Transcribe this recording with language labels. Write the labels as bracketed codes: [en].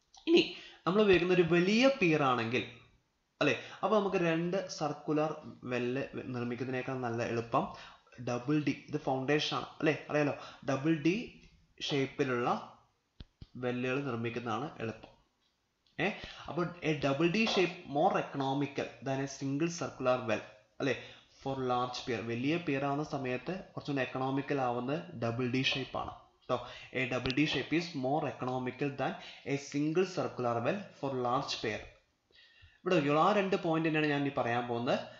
[ml] ഇനി നമ്മൾ ഉപയോഗിക്കുന്ന ഒരു വലിയ പിയർ ആണെങ്കിൽ അല്ലെ, അപ്പൊ നമുക്ക് രണ്ട് സർക്കുലർ വെല്ല് നിർമ്മിക്കുന്നതിനേക്കാൾ നല്ല എളുപ്പം ഡബിൾ ഡി, ഇത് ഫൗണ്ടേഷൻ ആണ് അല്ലെ, അറിയാലോ ഡബിൾ ഡി ഷേപ്പിലുള്ള വെല്ലുകൾ നിർമ്മിക്കുന്നതാണ് എളുപ്പം. ഏ അപ്പൊ [en] a double D shape more economical than a single circular well [ml] അല്ലെ [en] For large pier. [ml] വലിയ പിയർ ആവുന്ന സമയത്ത് കുറച്ചുകൂടി എക്കണോമിക്കൽ ആവുന്നത് ഡബിൾ ഡി ഷേപ്പാണ്. [en] So, a double D shape is more economical than a single circular well for large pair. [ml] ഇവിടെ ആ രണ്ട് പോയിന്റ് തന്നെയാണ് ഞാൻ ഇനി പറയാൻ പോകുന്നത്.